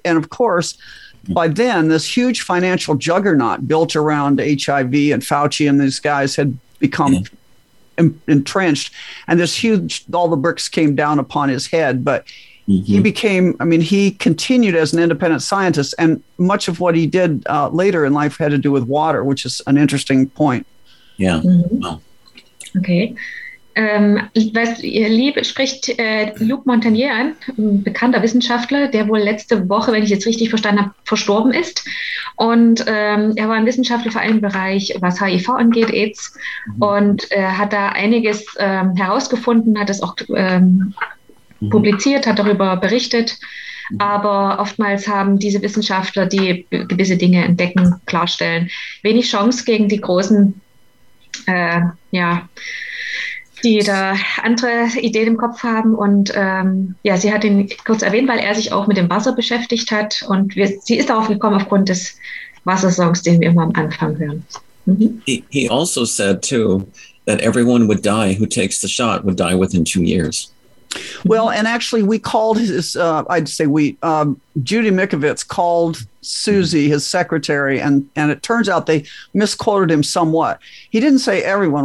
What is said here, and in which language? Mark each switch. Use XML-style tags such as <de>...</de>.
<en>And of course, by then, this huge financial juggernaut built around HIV and Fauci and these guys had become entrenched, and this huge, all the bricks came down upon his head. But he became, I mean, he continued as an independent scientist, and much of what he did later in life had to do with water, which is an interesting point. Yeah. Mm-hmm. Wow. Okay.</en> <de>Was ihr Lieb spricht Luc Montagnier an, bekannter Wissenschaftler, der wohl letzte Woche, wenn ich jetzt richtig verstanden habe, verstorben ist. Und er war ein Wissenschaftler vor allem im Bereich, was HIV angeht, AIDS, und hat da einiges herausgefunden, hat es auch publiziert, hat darüber berichtet. Aber oftmals haben diese Wissenschaftler, die gewisse Dinge entdecken, klarstellen, wenig Chance gegen die großen, die da andere Ideen im Kopf haben. Und sie hat ihn kurz erwähnt, weil er sich auch mit dem Wasser beschäftigt hat. Und sie ist darauf gekommen aufgrund des Wassersongs, den wir immer am Anfang hören.</de> <en>He also said too that everyone would die who takes the shot would die within 2 years. Well, and actually we called Judy Mikovits called Susie, his secretary, and it turns out they misquoted him somewhat. He didn't say everyone.</en>